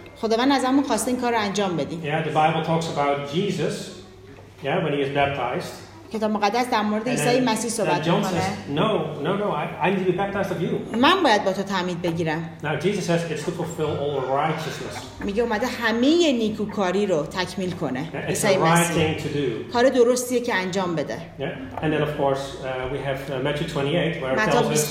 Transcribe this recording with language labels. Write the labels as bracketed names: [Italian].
[Persian] خداوند از همون خواسته این کار رو انجام بدیم. [English] Yeah, the Bible talks about Jesus, when he is baptized. [Persian] کتاب مقدس در مورد عیسی مسیح صحبت می‌کنه. [English] No, I need to be baptized of you. [Persian] من باید با تو تعمید بگیرم. [English] Now Jesus says it's to fulfill all righteousness. [Persian] میگه اومده همه نیکوکاری رو تکمیل کنه. [English] It's the right thing to do. [Persian] کار درستیه که انجام بده. [English] Yeah, and then of course we have Matthew 28 where it tells us.